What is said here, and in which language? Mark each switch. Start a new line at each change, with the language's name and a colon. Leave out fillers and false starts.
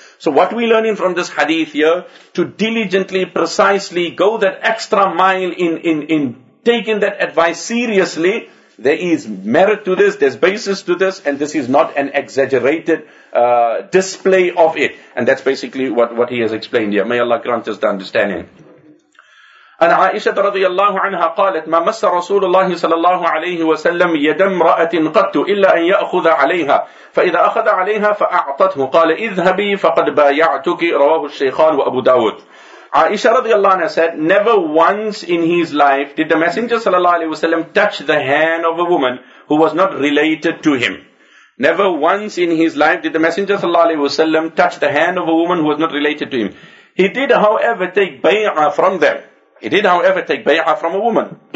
English: So what we're learning from this hadith here, to diligently, precisely go that extra mile in taking that advice seriously, there is merit to this, there's basis to this, and this is not an exaggerated display of it. And that's basically what he has explained here. May Allah grant us the understanding.
Arabic: أن عائشة رضي الله عنها قالت ما مس رسول الله صلى الله عليه وسلم يد امرأة قط إلا أن يأخذ عليها فإذا أخذ عليها فأعطته قال اذهبي فقد بايعتك رواه الشيخان وأبو داود.
English: عائشة رضي الله عنها said, never once in his life did the Messenger صلى الله عليه وسلم touch the hand of a woman who was not related to him. Never once in his life did the Messenger ﷺ touch the hand of a woman who was not related to him. He did, however, take bay'ah from them. He did, however, take bay'ah from a woman.